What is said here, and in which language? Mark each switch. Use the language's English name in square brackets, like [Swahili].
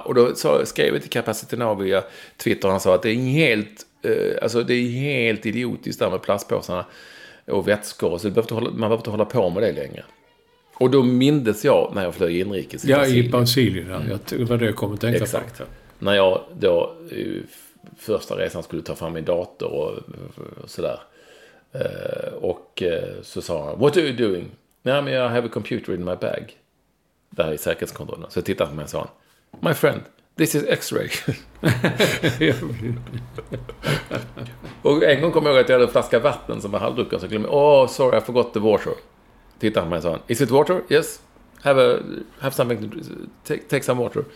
[Swedish] Och då skrev jag till Capacitina via Twitter. Han sa att det är helt, alltså, det är helt idiotiskt där med plastpåsarna och vätskor. Så man behöver inte hålla på med det längre. Och då mindes jag när jag flög inrikes. Ja, i Brasilien. Jag var det jag kom att tänka exakt. På. När jag då första resan skulle ta fram min dator och sådär. Och så sa han, [English] what are you doing? [Swedish] Nej, men jag [English] have a computer in my bag. [Swedish] Det här är säkerhetskontrollen. Så jag tittade på mig och sa, [English] my friend, this is X-ray. [Swedish] Och en gång kom jag ihåg att jag hade en flaska vatten som var halvdrucken. Så glömde jag, [English] oh, sorry, I forgot the water. [Swedish] Tittade på mig och sa, [English] is it water? Yes, have something to take some water.